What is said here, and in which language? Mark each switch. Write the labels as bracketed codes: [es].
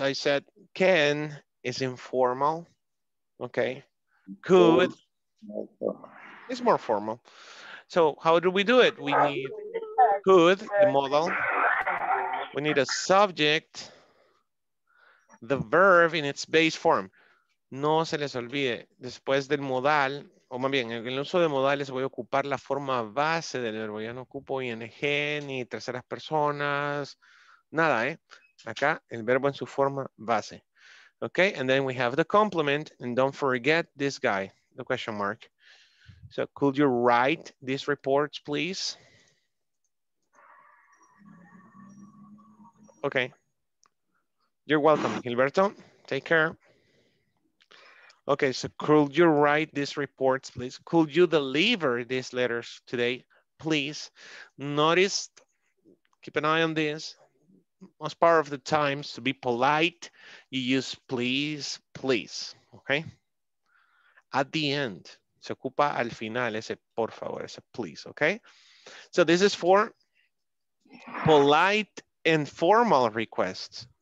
[en] I said can is informal, okay? Could is more formal. So how do we do it? We need could, the model. We need a subject, the verb in its base form. [es] No se les olvide, después del modal, o más bien, en el uso de modales voy a ocupar la forma base del verbo. Ya no ocupo ing, ni terceras personas, nada, ¿eh? Acá, el verbo en su forma base. [en] Okay, and then we have the complement, and don't forget this guy, the question mark. So could you write these reports, please? Okay. You're welcome, Gilberto. Take care. Okay, so could you write these reports, please? Could you deliver these letters today, please? Notice, keep an eye on this. Most part of the times, to be polite, you use please, please, okay? At the end. [es] Se ocupa al final, ese por favor, ese please, okay? [en] So this is for polite and formal requests.